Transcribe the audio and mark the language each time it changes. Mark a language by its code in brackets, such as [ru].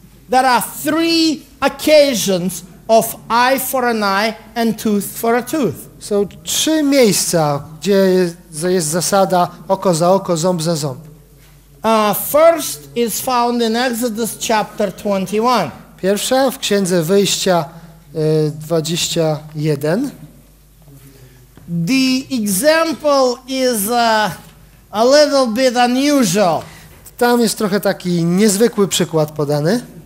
[en] There are three occasions of eye for an eye and tooth for a tooth. [pl] Są trzy miejsca, gdzie jest zasada oko za oko, ząb za ząb. [en] First is found in Exodus chapter 21. [pl] Pierwsza w Księdze Wyjścia 21. [en] The example is a little bit unusual. [pl] Tam jest trochę taki niezwykły przykład podany.